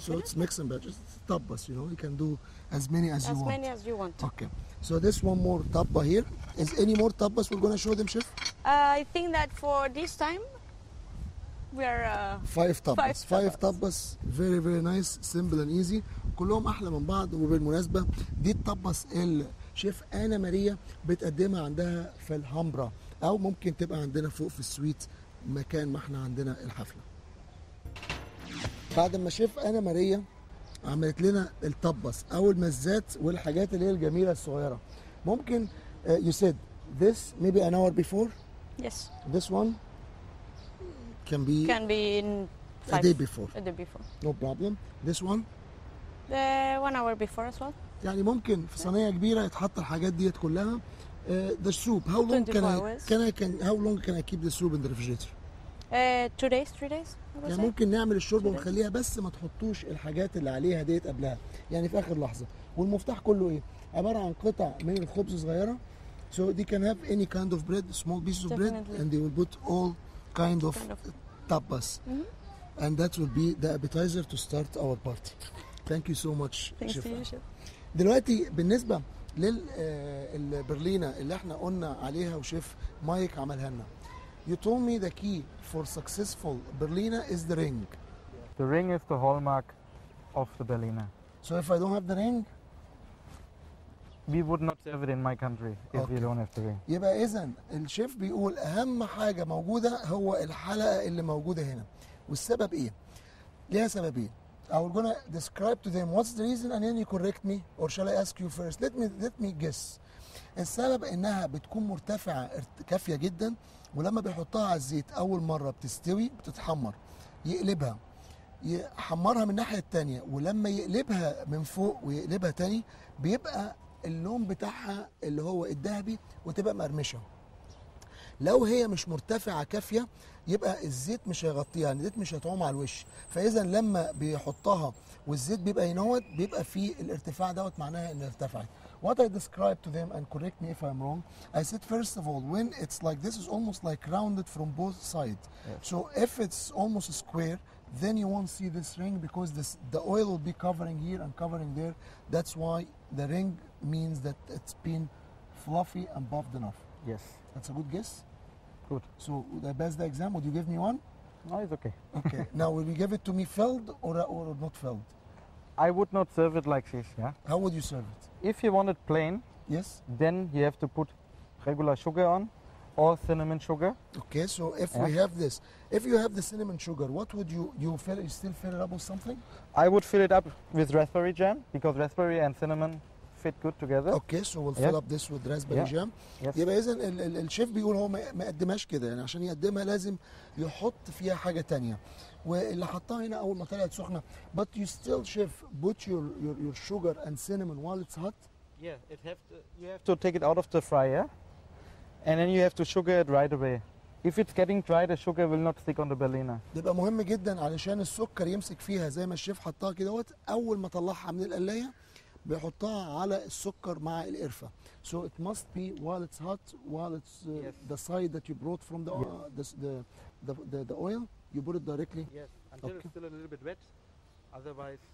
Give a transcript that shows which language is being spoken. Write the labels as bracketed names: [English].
[English] so it's mix and batch it's tapas you know you can do as many as you as want as many as you want okay so this one more tapa here is any more tapas we're gonna show them chef I think that for this time We are five tapas. Very very nice, simple and easy. [Arabic] كلهم أحلى من بعض وبالمناسبة دي التابس الشيف أنا ماريا بتقدمها عندها في الهامبرا أو ممكن تبقى عندنا فوق في السويت مكان ما احنا عندنا الحفلة. بعد ما شيف أنا ماريا عملت لنا التابس أو المزات والحاجات اللي هي الجميلة الصغيرة ممكن [English] you said this maybe an hour before. Yes. This one. Can be in five, a day before. No problem. This one. The 1 hour before as well. [Arabic] يعني ممكن في صينية كبيرة يتحط الحاجات دي كلها. [English] The soup. How long can I How long can I keep the soup in the refrigerator? Two days, three days. [Arabic] يعني ممكن نعمل الشوربة ونخليها بس ما تحطوش الحاجات اللي عليها دي قبلها. يعني في آخر لحظة. والمفتاح كله إيه؟ عبارة عن قطع من الخبز صغيرة. [English] So they can have any kind of bread, small pieces of bread, and they will put all. Kind of tapas mm-hmm. and that will be the appetizer to start our party thank you so much thanks Shifa. To you chef [Arabic] دلوقتي بالنسبه للبرلينه اللي احنا قلنا عليها وشيف مايك عملها لنا [English] you told me the key for successful berlina is the ring the ring is the hallmark of the Berliner. So if I don't have the ring? We would not serve it in my country if okay. you don't have the ring. [Arabic] يبقى إذن الشيف بيقول أهم حاجة موجودة هو الحلقة اللي موجودة هنا. والسبب إيه؟ ليها سببين. [English] I was gonna describe to them what's the reason and then you correct me or shall I ask you first? Let me guess. [Arabic] السبب إنها بتكون مرتفعة كافية جدا ولما بيحطها على الزيت أول مرة بتستوي بتتحمر يقلبها يحمرها من الناحية التانية ولما يقلبها من فوق ويقلبها تاني بيبقى اللون بتاعها اللي هو الذهبي وتبقى مرمشة. لو هي مش مرتفعة كافية يبقى الزيت مش هيغطيها يعني الزيت مش هتعوم على الوش. فإذا لما بيحطها والزيت بيبقى ينوت بيبقى في الارتفاع دوت معناها إنها ارتفعت. [English] What I described to them and correct me if I'm wrong, I said first of all when it's like this is almost like rounded from both sides. Yes. So if it's almost square then you won't see this ring because this, the oil will be covering here and covering there. That's why the ring means that it's been fluffy and buffed enough. Yes. That's a good guess? Good. So the best exam, would you give me one? No, it's okay. Okay. Now will you give it to me filled or not filled? I would not serve it like this, yeah? How would you serve it? If you want it plain, yes, then you have to put regular sugar on or cinnamon sugar. Okay, so if yeah. we have this, if you have the cinnamon sugar, what would you fill it, you still fill it up with something? I would fill it up with raspberry jam because raspberry and cinnamon fit good together. Okay, so we'll yeah. fill up this with raspberry yeah. jam. Yes. [Arabic] يبقى إذن الشيف بيقول هو ما قدمهاش كده يعني عشان يقدمها لازم يحط فيها حاجة تانية. واللي حطها هنا أول ما طلعت سخنة. [English] But you still, chef, put your sugar and cinnamon while it's hot? Yeah, it have to, you have to take it out of the fryer and then you have to sugar it right away. If it's getting dry, the sugar will not stick on the Berliner. [Arabic] ده بقى مهم جدا علشان السكر يمسك فيها زي ما الشيف حطها كده وقت أول ما طلعها من القلاية بيحطها على السكر مع القرفة. [English] So it must be while it's hot, while it's yes. the side that you brought from the, yes. the oil. You put it directly? Yes, until okay. it's still a little bit wet, otherwise...